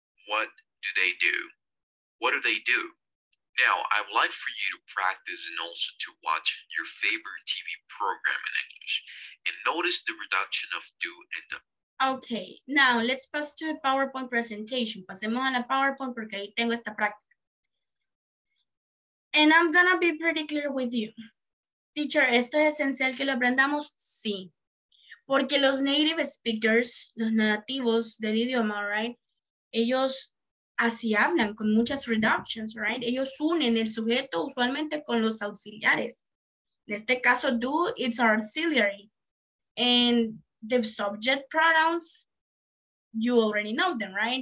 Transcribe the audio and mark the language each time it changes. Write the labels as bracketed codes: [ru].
[en] What do they do? What do they do? Now, I would like for you to practice and also to watch your favorite TV program in English and notice the reduction of do and do. Okay, now let's pass to the PowerPoint presentation. [es] Pasemos a la PowerPoint porque ahí tengo esta práctica. [en] And I'm gonna be pretty clear with you. [es] Teacher, ¿esto es esencial que lo aprendamos? Sí. Porque los native speakers, los nativos del idioma, right? Ellos así hablan, con muchas reductions, right? Ellos unen el sujeto usualmente con los auxiliares. En este caso, [en] do, it's our auxiliary. And the subject pronouns, you already know them, right?